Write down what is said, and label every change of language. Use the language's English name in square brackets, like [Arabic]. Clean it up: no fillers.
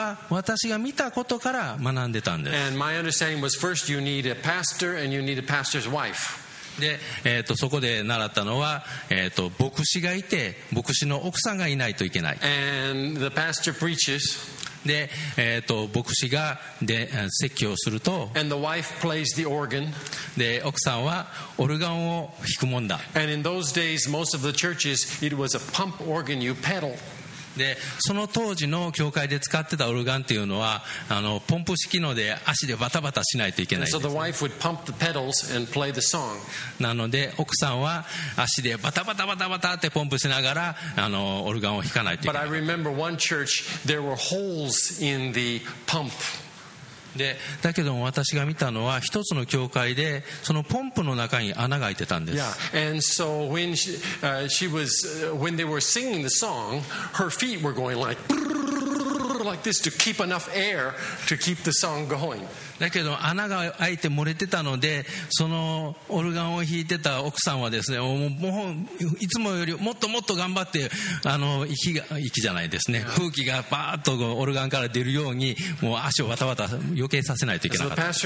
[Japanese] 私が見たことから学んでたんです。 [English] And my understanding was first you need a pastor and you need a pastor's wife. [Japanese] で、そこで習ったのは、牧師がいて牧師の奥さんがいないといけない。 [English] And the pastor preaches. [Japanese] で、牧師がで説教をすると、 [English] And the wife plays the organ. [Japanese] で奥さんはオルガンを弾くもんだ。 [English] And in those days, most of the churches, it was a pump organ you pedal. [Japanese] でその当時の教会で使ってたオルガンっていうのはポンプ式ので足でバタバタしないといけない、ね、 [English] So the wife would pump the pedals and play the song. [Japanese] なので奥さんは足でバタバタバタバタってポンプしながらオルガンを弾かないといけない。 [English] But I remember one church, there were holes in the pump. [Japanese] でだけども私が見たのは一つの教会でそのポンプの中に穴が開いてたんです。 [English] Yeah. And so when she was, when they were singing the song, her feet were going like brrrr, like this to keep enough air to keep the song going. [Japanese] だけど穴が開いて漏れてたのでそのオルガンを弾いてた奥さんはですね、いつもよりもっともっと頑張って息じゃないですね、空気がバーッとオルガンから出るようにもう足をわたわた余計させないといけなかった。